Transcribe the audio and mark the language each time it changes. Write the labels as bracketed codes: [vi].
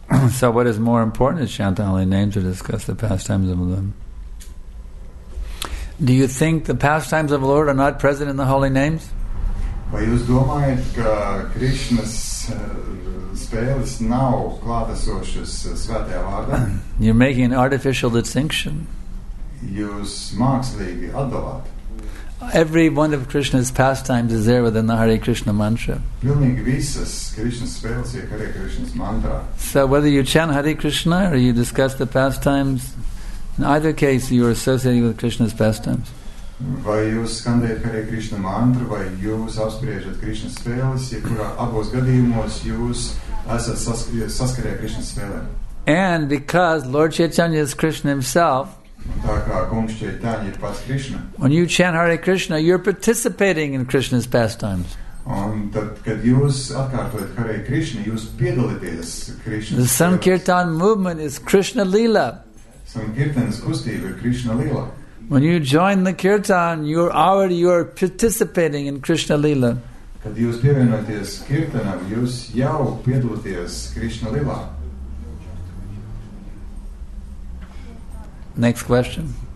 [en] So what is more important, to chant the holy names or discuss the pastimes of them? Do you think the pastimes of the Lord are not present in the holy names? [lv] Vai jūs domājat, ka Krišnas spēles nav klātesošas svētajā vārdā? [en] You're making an artificial distinction. [lv] Jūs mākslīgi atdalāt. [en] Every one of Krishna's pastimes is there within the Hare Krishna mantra. So whether you chant Hare Krishna or you discuss the pastimes, in either case you are associating with Krishna's pastimes. [lv] Vai jūs skandējat Hare Krishna mantru, vai jūs apspriežat Krishna's spēles, ja kurā abos gadījumos jūs esat saskarējat Krishna's spēlē? [en] And because Lord Chaitanya is Krishna himself, [lv] tā kā kungs Chaitanya ir pats Krishna, [en] when you chant Hare Krishna, you're participating in Krishna's pastimes. [lv] Un tad, kad jūs atkārtojat Hare Krishna, jūs piedalīties Krishna's [en] The Sankirtan movement is Krishna Lila. [lv] Sankirtanas kustība ir Krishna Lila. [en] When you join the kirtan, you're already participating in Krishna Lila. [lv] Kad jūs pievienoties kirtanam, jūs jau piedalāties Krishna Lila. [en] Next question.